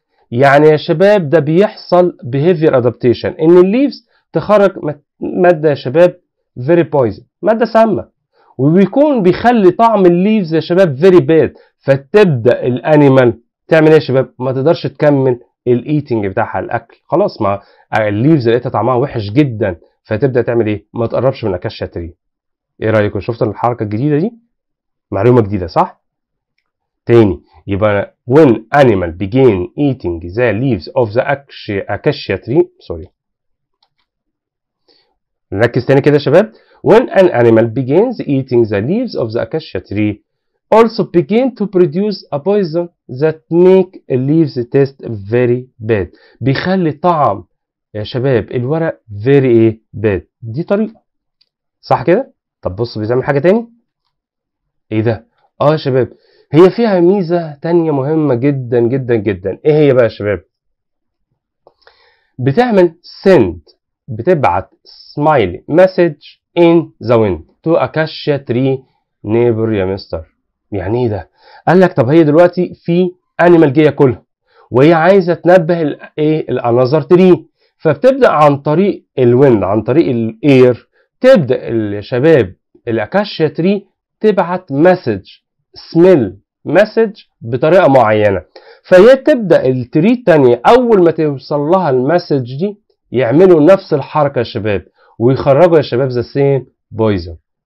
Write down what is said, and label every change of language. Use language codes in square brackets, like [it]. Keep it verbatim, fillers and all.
[ar] يعني يا شباب ده بيحصل [en] behavior adaptation، [ar] ان الليفز تخرج ماده يا شباب [en] very poison، [ar] ماده سامه، وبيكون بيخلي طعم الليفز يا شباب فيري باد، فتبدا الانيمال تعمل ايه يا شباب؟ ما تقدرش تكمل الايتنج بتاعها، الاكل خلاص، ما الليفز لقيتها طعمها وحش جدا، فتبدا تعمل ايه؟ ما تقربش من اكاشيا تري. ايه رايكم؟ شفتوا الحركه الجديده دي؟ معلومه جديده صح؟ تاني، يبقى [en] when animal begin eating the leaves of the acacia tree sorry [ar] نركز تاني كده يا شباب. [en] When an animal begins eating the leaves of the acacia tree also begin to produce a poison that make leaves taste very bad. [ar] بيخلي طعم يا شباب الورق [en] very bad. [ar] دي طريقة صح كده؟ طب بصوا بيعمل حاجة تاني. ايه ده؟ اه يا شباب هي فيها ميزة تانية مهمة جدا جدا جدا. ايه هي بقى يا شباب؟ بتعمل send، بتبعت [en] smiley message in the wind to acacia tree neighbor [ar] يا مستر. يعني ايه ده؟ قال لك طب هي دلوقتي في انيمال جايه كلها وهي عايزه تنبه الايه الانذر تري، فبتبدا عن طريق الويند، عن طريق الاير، تبدا الشباب الاكاشيا تري تبعت مسج سميل مسج بطريقه معينه، فهي تبدا التري الثانيه اول ما توصل لها المسج دي يعملوا نفس الحركه يا شباب ويخرجوا يا شباب ذا سيم بويزن.